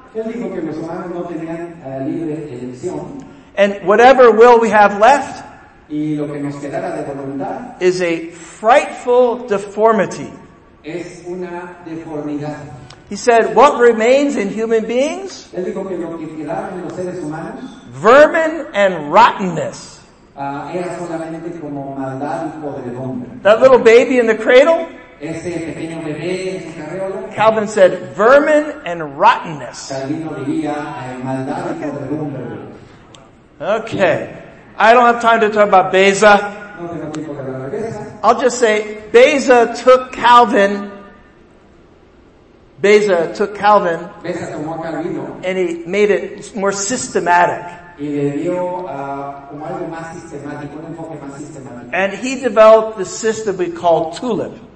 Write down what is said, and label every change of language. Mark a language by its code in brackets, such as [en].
[en] And whatever will we have left is a frightful deformity. [es] Es una deformidad. [en] He said, what remains in human beings? [es] Él dijo que lo que quedaron en los seres humanos, [en] vermin and rottenness. [es] Era solamente como maldad y podredumbre. [en] That little baby in the cradle? [es] Ese pequeño bebé en su carriola. [en] Calvin said, vermin and rottenness. [es] Calvino diría, maldad y podredumbre. [en] Okay. I don't have time to talk about Beza. I'll just say, Beza took Calvin, and he made it more systematic. And he developed the system we call TULIP.